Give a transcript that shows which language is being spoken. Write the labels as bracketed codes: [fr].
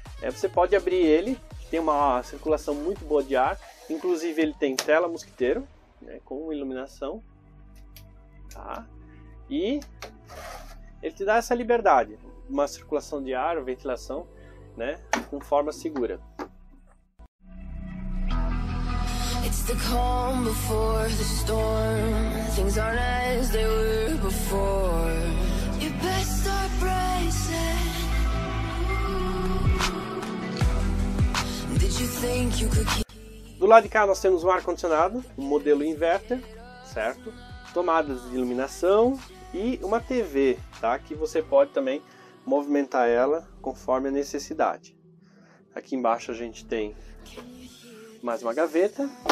[pt] Você pode abrir ele, que tem uma circulação muito boa de ar, inclusive ele tem tela mosquiteiro, né, com iluminação, tá? E ele te dá essa liberdade, uma circulação de ar, ventilação, né, com forma segura. [en] It's the calm before the storm. Things aren't as they were before. You best start bracing. Did you think you could keep... [pt] Do lado de cá nós temos um ar-condicionado, um modelo inverter, certo? Tomadas de iluminação e uma TV, tá? Que você pode também movimentar ela conforme a necessidade. Aqui embaixo a gente tem mais uma gaveta.